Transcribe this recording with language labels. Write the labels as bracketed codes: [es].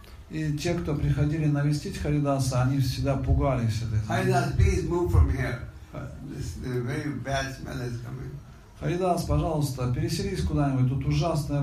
[ru] И те, кто приходили навестить Харидаса, они всегда пугались этой змеи. [en] Харидас, please move from here. This is a very bad smell is coming. [ru] Харидас, пожалуйста, переселись куда-нибудь, тут ужасная